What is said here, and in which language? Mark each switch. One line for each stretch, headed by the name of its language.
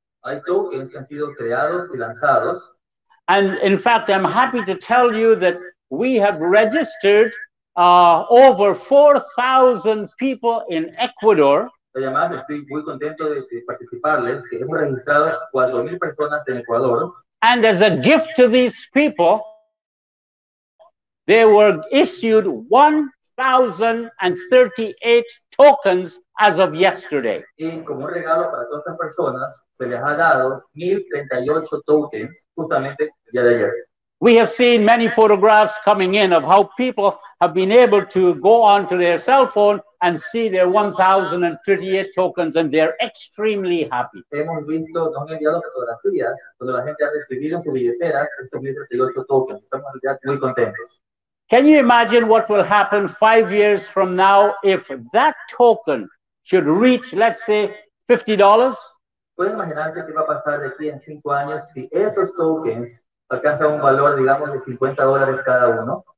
Spanish: Hay tokens que han sido creados y lanzados.
English: And in fact, I'm happy to tell you that we have registered over 4,000 people in Ecuador.
Spanish: Además, estoy muy contento de participarles, que hemos registrado 4,000 personas en Ecuador.
English: And as a gift to these people, they were issued 1,038 tokens as of yesterday.
Spanish: Y como un regalo para todas estas personas, se les ha dado 1,038 tokens justamente el día de ayer.
English: We have seen many photographs coming in of how people have been able to go onto their cell phone and see their 1,038 tokens, and they're extremely happy.
Spanish: Hemos visto, nos han enviado fotografías donde la gente ha recibido en sus billeteras estos 1,038 tokens. Estamos muy contentos.
English: Can you imagine what will happen 5 years from now if that token should reach, let's say, $50?
Spanish: ¿Puedes imaginarse qué va a pasar de aquí en 5 años si esos tokens alcanzan un valor, digamos, de $50 cada uno?